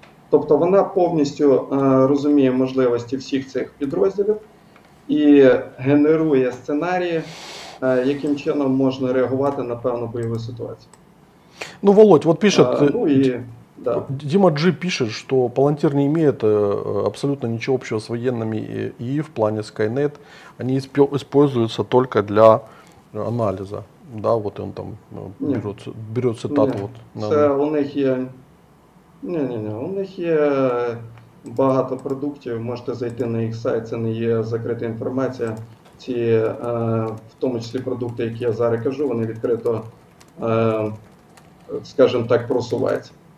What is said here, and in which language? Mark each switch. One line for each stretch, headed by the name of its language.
Ukrainian: Тобто вона повністю розуміє можливості всіх цих підрозділів і генерує сценарії, яким чином можна реагувати на певну бойову ситуацію. Ну, Володь, от пише, Дима Джи пише, що Palantir не має абсолютно нічого общого з воєнними ІІ в плані Skynet. Вони використовуються тільки для аналізу.
Russian: Да, вот он там берет цитату. Вот,
Ukrainian: це у них є... Ні, у них є багато продуктів, можете зайти на їх сайт, це не є закрита інформація. Ці, в тому числі продукти, які я зараз кажу, вони відкрито, скажімо так, просуваються.